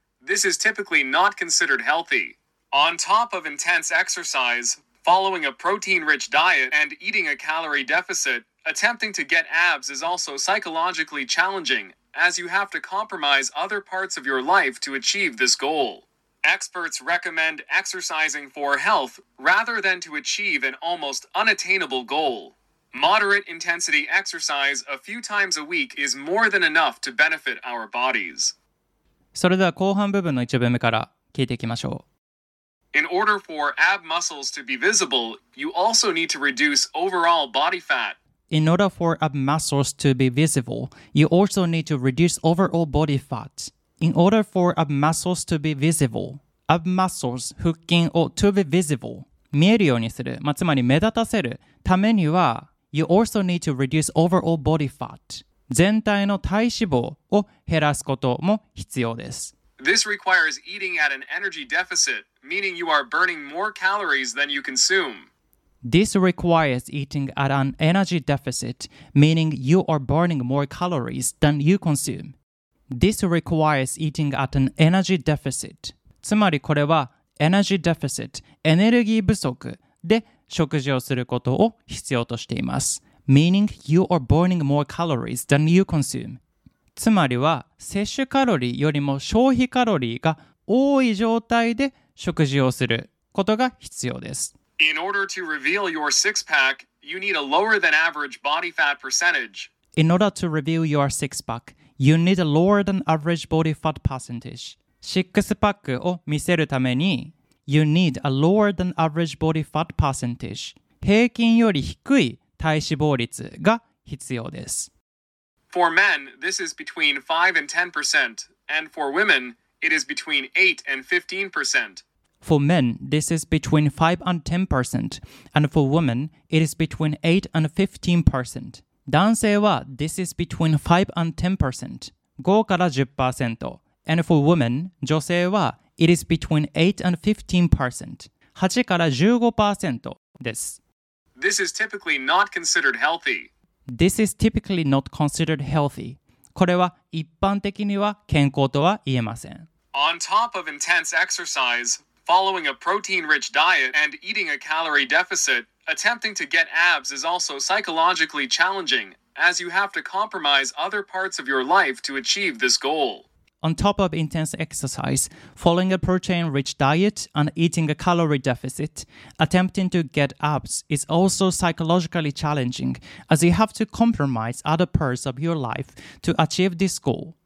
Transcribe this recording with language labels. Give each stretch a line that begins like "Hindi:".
English: This is typically not considered healthy. On top of intense exercise, following a protein-rich diet and eating a calorie deficit, attempting to get abs is also psychologically challenging, as you have to compromise other parts of your life to achieve this goal. Experts recommend exercising for health rather than to achieve an almost unattainable goal. Moderate intensity exercise a few times a week is more than enough to benefit our bodies.
Japanese: それでは後半部分の一部目から聞いていきましょう。
English: In order for ab muscles to be visible, you also need to reduce overall body fat. In order for ab muscles to be visible, you also need to reduce overall body fat. In order for ab muscles to be visible, ab muscles, 腹筋を to be visible, 見えるようにする、まあ、つまり目立たせるためには、 you also need to reduce overall body fat, 全体の体脂肪を減らすことも必要です。 This requires eating at an energy deficit, meaning you are burning more calories than you consume. This requires eating at an energy deficit, meaning you are burning more calories than you consume. This requires eating at an energy deficit.
Japanese: つまりこれは energy deficit、エネルギー不足で食事をすることを必要としています。
English: Meaning you are burning more calories than you consume.
Japanese: つまりは摂取カロリーよりも消費カロリーが多い状態で食事をすることが必要です。
English: In order to reveal your six pack, you need a lower than average body fat percentage. In order to reveal your six pack,You need a lower than average body fat percentage. シックスパックを見せるために You need a lower than average body fat percentage.
Japanese: 平均より低い体脂肪率が必要です。
English: For men, this is between 5 and 10%. And for women, it is between 8 and 15%. For men, this is between 5 and 10%. And for women, it is between 8 and 15%. 男性は This is between 5 and 10%、 5から 10% And for women, 女性は It is between 8 and 15%、 8から 15% です。 This is typically not considered healthy. This is typically not considered healthy.
Japanese: これは一般的には健康とは言えません。
English: On top of intense exercise, following a protein-rich diet and eating a calorie deficit,Attempting to get abs is also psychologically challenging, as you have to compromise other parts of your life to achieve this goal. On top of intense exercise, following a protein-rich diet and eating a calorie deficit, attempting to get abs is also psychologically challenging, as you have to compromise other parts of your life to achieve this goal.